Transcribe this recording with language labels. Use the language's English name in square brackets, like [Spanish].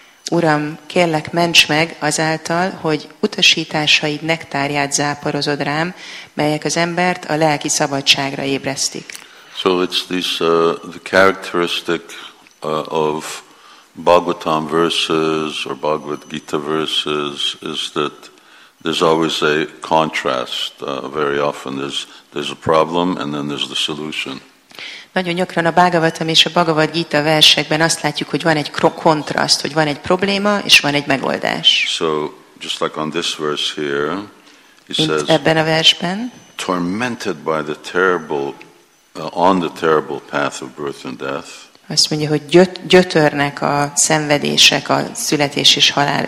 [Hungarian] Uram, kérlek, ments meg azáltal, hogy utasításaid nektárját záporozod rám, melyek az embert a lelki szabadságra ébresztik. [English] So it's this the characteristic of Bhagavatam verses or Bhagavad Gita verses is that there's always a contrast. Very often there's a problem and then there's the solution. [Hungarian] Nagyon gyakran a Bhagavatam és a Bhagavad Gita versekben azt látjuk, hogy van egy kontraszt, hogy van egy probléma és van egy megoldás. [English] So just like on this verse here, he says, [Hungarian] ebben a versben, [English] tormented by the terrible, on the terrible path of birth and death. [Hungarian] Azt mondja, hogy gyötörnek a szenvedések, a születés és halál